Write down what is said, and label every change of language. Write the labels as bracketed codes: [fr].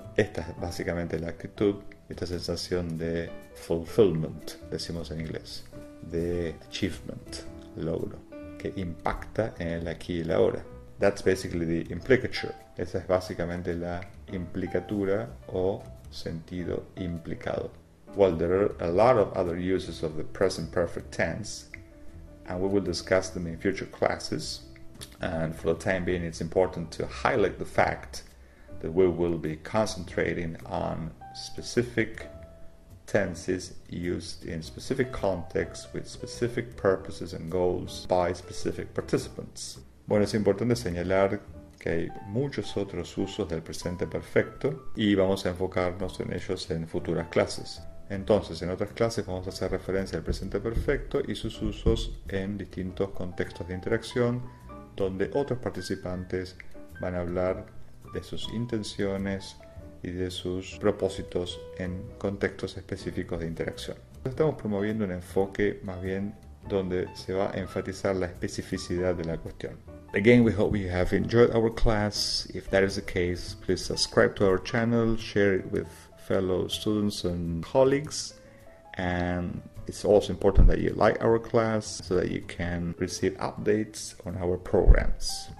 [es] Esta es básicamente la actitud, esta sensación de fulfillment, decimos en inglés, de achievement, logro, que impacta en el aquí y el ahora. [en] That's basically the implicature. [es] Esa es básicamente la implicatura o sentido implicado. [en] Well, there are a lot of other uses of the present perfect tense, and we will discuss them in future classes. And for the time being, it's important to highlight the fact that we will be concentrating on specific tenses used in specific contexts with specific purposes and goals by specific participants. [es] Bueno, es importante señalar que hay muchos otros usos del presente perfecto y vamos a enfocarnos en ellos en futuras clases. Entonces, en otras clases vamos a hacer referencia al presente perfecto y sus usos en distintos contextos de interacción donde otros participantes van a hablar de sus intenciones y de sus propósitos en contextos específicos de interacción. Estamos promoviendo un enfoque más bien donde se va a enfatizar la especificidad de la cuestión. [en] Again, we hope you have enjoyed our class. If that is the case, please subscribe to our channel, share it with fellow students and colleagues. And it's also important that you like our class so that you can receive updates on our programs.